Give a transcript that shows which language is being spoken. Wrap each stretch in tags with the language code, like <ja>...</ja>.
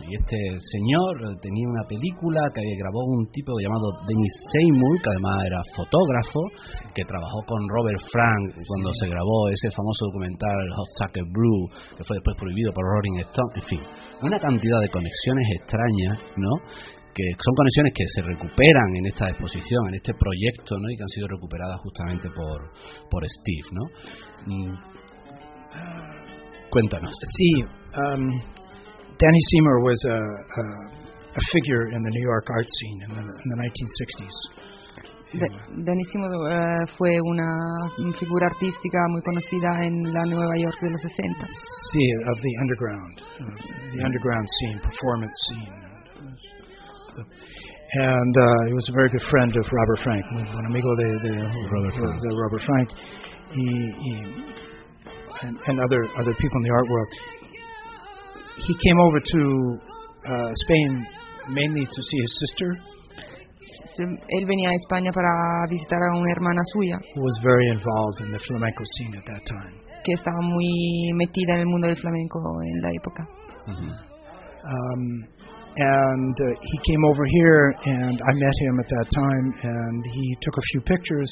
<es>Y este señor tenía una película que grabó un tipo llamado Dennis Seymour, que además era fotógrafo, que trabajó con Robert Frank cuando sí, se grabó ese famoso documental Hot Sucker Blue, que fue después prohibido por Rolling Stone. En fin, una cantidad de conexiones extrañas, ¿no?, que son conexiones que se recuperan en esta exposición, en este proyecto, ¿no?, y que han sido recuperadas justamente por Steve, ¿no? Cuéntanos.</es> <en>Sí, Danny Seymour was a figure in the New York art scene in the 1960s.</en> <es>Danny Seymour fue una figura artística muy conocida en la Nueva York de los 60.</es> <en>Sí, of the underground, underground scene, performance scene. And he was a very good friend of Robert Frank,</en> <es>un amigo de Robert Frank,</es> <en>and other people in the art world. He came over to Spain mainly to see his sister.</en> <es>Él venía a España para visitar a una hermana suya.</es> <en>Who was very involved in the flamenco scene at that time.</en> <es>Que estaba muy metida en el mundo del flamenco en la época. Mm-hmm.</es> <en>And he came over here, and I met him at that time, and he took a few pictures.</en>